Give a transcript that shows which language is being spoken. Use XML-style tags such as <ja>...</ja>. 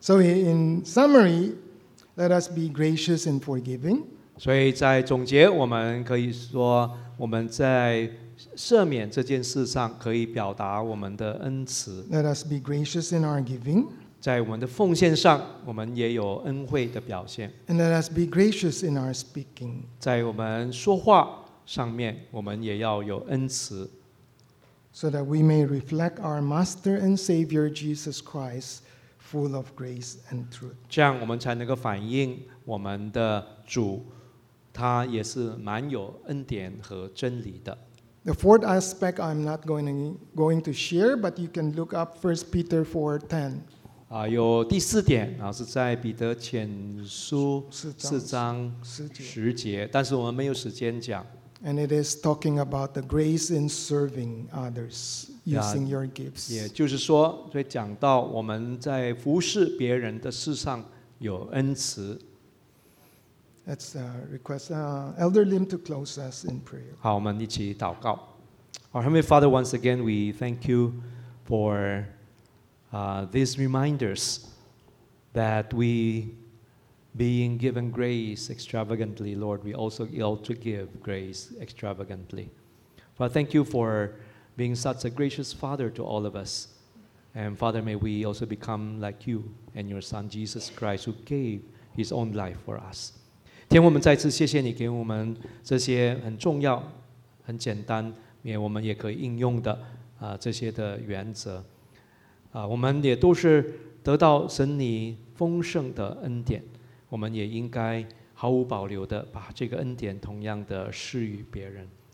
<en>So in summary, let us be gracious and forgiving.</en> <zh>所以在总结，我们可以说我们在赦免这件事上可以表达我们的恩慈。</zh> <en>Let us be gracious in our giving.</en> <zh>在我们的奉献上，我们也有恩惠的表现。</zh> <en>And let us be gracious in our speaking.</en> <zh>在我们说话上面，我们也要有恩慈。</zh> <en>So that we may reflect our Master and Savior Jesus Christ, full of grace and truth.</en> <zh>这样我们才能够反映我们的主，他也是蛮有恩典和真理的。</zh> <en>The fourth aspect I'm not going to share, but you can look up 1 Peter 4:10.</en> <zh>有第四点，是在彼得前书四章十节，但是我们没有时间讲。</zh> <en>And it is talking about the grace in serving others using your gifts.</en> <zh>也就是说，所以讲到我们在服侍别人的事上有恩慈。</zh> <en>Let's request Elder Lim to close us in prayer.</en> <zh>好，我们一起祷告。</zh> <en>Our Heavenly Father, once again, we thank you for these reminders that we, being given grace extravagantly, Lord, we also yield to give grace extravagantly. Father, thank you for being such a gracious Father to all of us. And Father, may we also become like you and your Son, Jesus Christ, who gave his own life for us.</en> <zh>天父，我们再次谢谢你给我们这些很重要、很简单，也我们也可以应用的这些的原则。我们也都是得到神你丰盛的恩典，我们也应该毫无保留的把这个恩典同样的施予别人。</zh>